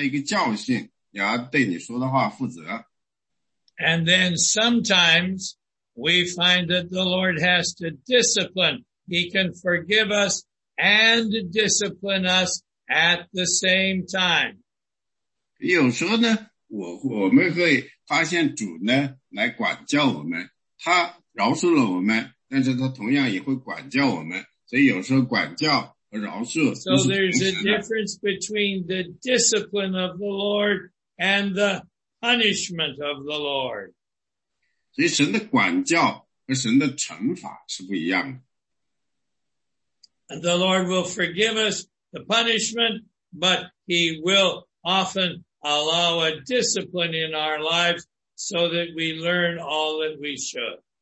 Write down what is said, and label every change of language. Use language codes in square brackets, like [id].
[zh] 因为你可能跟我说呢,二的那5万块钱我不要了,但是你要把你的车给我,然后呢,你必须每天步行,这样呢,你要学到一个教训,你要对你说的话负责。 [en] And then sometimes we find that the Lord has to discipline. He can forgive us and discipline us at the same time. [zh] 有时候呢,我们会发现主呢来管教我们。他饶恕了我们,但是他同样也会管教我们。所以有时候管教和饶恕。 [en] So there's a difference between the discipline of the Lord and the punishment of the Lord. [zh] 所以神的管教和神的惩罚是不一样的。 [en] The Lord will forgive us the punishment, but he will often allow a discipline in our lives so that we learn all that we should.